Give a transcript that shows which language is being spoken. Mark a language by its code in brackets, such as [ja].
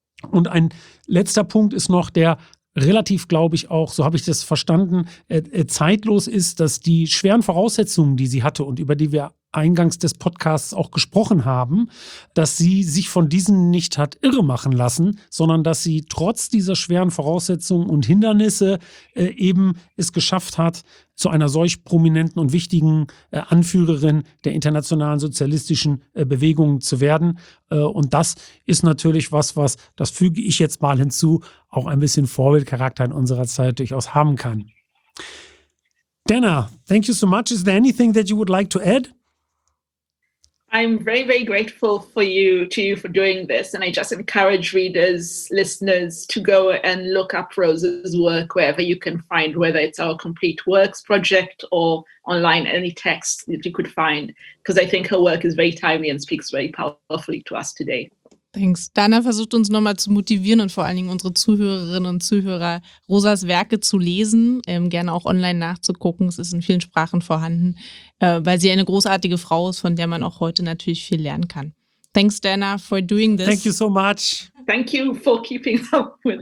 [de] Und ein letzter Punkt ist noch der, relativ, glaube ich, auch, so habe ich das verstanden, zeitlos ist, dass die schweren Voraussetzungen, die sie hatte und über die wir eingangs des Podcasts auch gesprochen haben, dass sie sich von diesen nicht hat irre machen lassen, sondern dass sie trotz dieser schweren Voraussetzungen und Hindernisse eben es geschafft hat, zu einer solch prominenten und wichtigen Anführerin der internationalen sozialistischen Bewegung zu werden. Und das ist natürlich was, das füge ich jetzt mal hinzu, auch ein bisschen Vorbildcharakter in unserer Zeit durchaus haben kann. [en] Dana, thank you so much. Is there anything that you would like to add? I'm very, very grateful to you for doing this. And I just encourage readers, listeners to go and look up Rosa's work wherever you can find, whether it's our Complete Works project or online, any text that you could find. Because I think her work is very timely and speaks very powerfully to us today. Thanks. [de] Dana versucht uns nochmal zu motivieren und vor allen Dingen unsere Zuhörerinnen und Zuhörer, Rosas Werke zu lesen, gerne auch online nachzugucken. Es ist in vielen Sprachen vorhanden, weil sie eine großartige Frau ist, von der man auch heute natürlich viel lernen kann. [en] Thanks, Dana, for doing this. Thank you so much. Thank you for keeping up with